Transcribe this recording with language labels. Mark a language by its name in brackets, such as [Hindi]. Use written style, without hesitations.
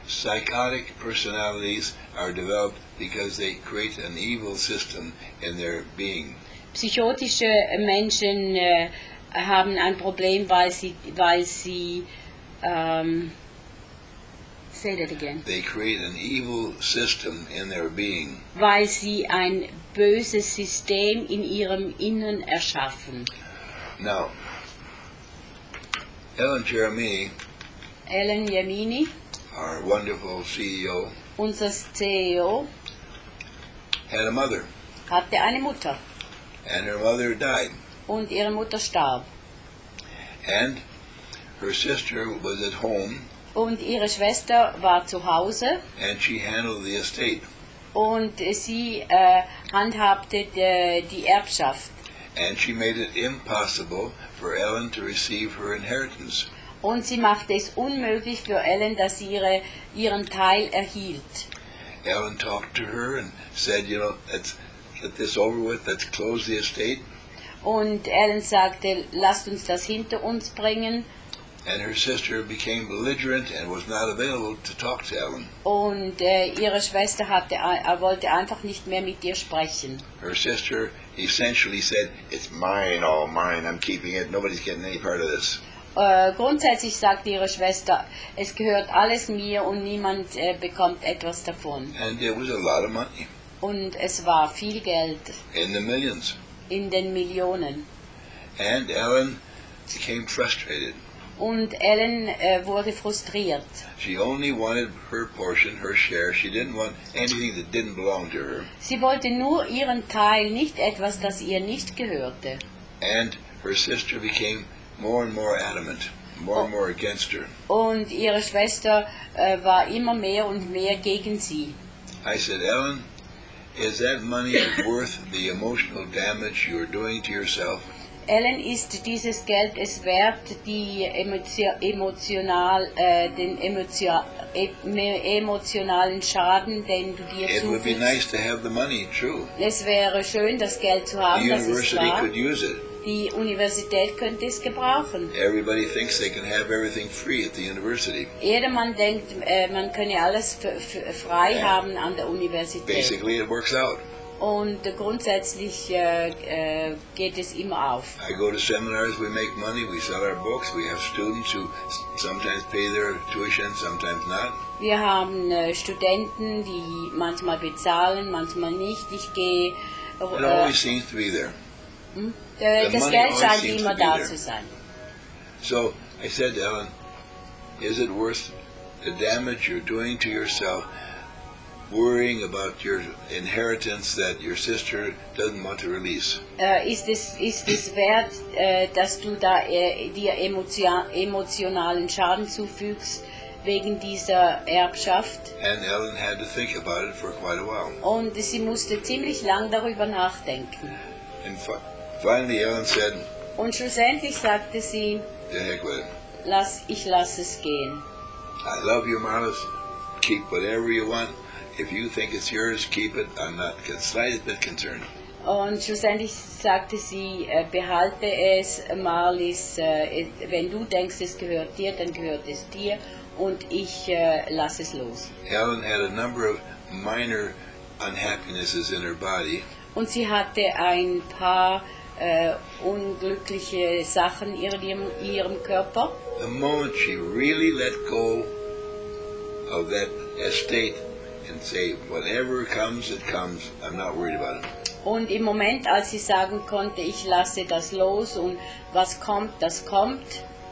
[English] Psychotic personalities are developed because they create an evil system in their being. [German] Psychotische Menschen haben ein Problem, weil sie [English] say that again. They create an evil system in their being. [German] Weil sie ein böses System in ihrem Innern erschaffen. [English] Now, Ellen Jemini, our wonderful CEO, [German] unser CEO, [English] had a mother. [German] Hatte eine Mutter. [English] And her mother died. [German] Und ihre Mutter starb. [English] And her sister was at home. [German] Und ihre Schwester war zu Hause. [English] And she handled the estate. [German] Und sie handhabte die Erbschaft. [English] And she made it impossible for Ellen to receive her inheritance. [German] und sie machte es unmöglich für Ellen, dass sie ihren Teil erhielt. [English] Ellen talked to her and said, you know, let's get this over with, let's close the estate. [German] Und Ellen sagte, lasst uns das hinter uns bringen. [English] And her sister became belligerent and was not available to talk to Ellen. [German] Und ihre Schwester hatte, wollte einfach nicht mehr mit ihr sprechen. [English] Her sister essentially said, it's mine, all mine, I'm keeping it, nobody's getting any part of this. [German] Grundsätzlich sagte ihre Schwester, es gehört alles mir und niemand bekommt etwas davon. [English] And it was a lot of money. [German] Und es war viel Geld. [English] In the millions. [German] In den Millionen. [English] And Ellen became frustrated. [German] Und Ellen wurde frustriert. [English] She only wanted her portion, her share. She didn't want anything that didn't belong to her. [German] Sie wollte nur ihren Teil, nicht etwas, das ihr nicht gehörte. [English] And her sister became more and more adamant, more and more against her. [German] Und ihre Schwester war immer mehr und mehr gegen sie. [English] I said, Ellen, is that money worth the emotional damage you're doing to yourself? [German] Ellen, ist dieses Geld es wert, die emotionalen Schaden, den du dir zufügst? [English] It would be nice to have the money, true. [German] Es wäre schön, das Geld zu haben, [English] the university could use it. [German] Die Universität könnte es gebrauchen. [English] Everybody thinks they can have everything free at the university. [German] Jedermann denkt, man könne alles frei and haben an der Universität. [English] Basically, it works out. [German] Und grundsätzlich geht es immer auf. [English] I go to seminars, we make money, we sell our books, we have students who sometimes pay their tuition, sometimes not. [German] Wir haben Studenten, die manchmal bezahlen, manchmal nicht. Ich gehe. [English] It always seems to be there. [German] Das Geld scheint immer da zu sein. [English] So I said to Ellen, is it worth the damage you're doing to yourself? Worrying about your inheritance that your sister doesn't want to release. [German] Ist es wert, dass du da dir emotionalen Schaden zufügst wegen dieser Erbschaft? [English] And Ellen had to think about it for quite a while. [German] Und sie musste ziemlich lang darüber nachdenken. [English] And finally, Ellen said. [German] Und schlussendlich sagte sie. [English] The heck with it. [German] Ich lass es gehen. [English] I love you, Marlis. Keep whatever you want. If you think it's yours, keep it. I'm not the slightest bit concerned. [German] Und schlussendlich sagte sie, behalte es, Marlis. Wenn du denkst, es gehört dir, dann gehört es dir. Und ich lasse es los. [English] Ellen had a number of minor unhappinesses in her body. [German] Und sie hatte ein paar unglückliche Sachen in ihrem Körper. [English] The moment she really let go of that estate, and say, whatever comes, it comes. I'm not worried about it. [German] Und im Moment, als sie sagen konnte, ich lasse das los und was kommt, das kommt.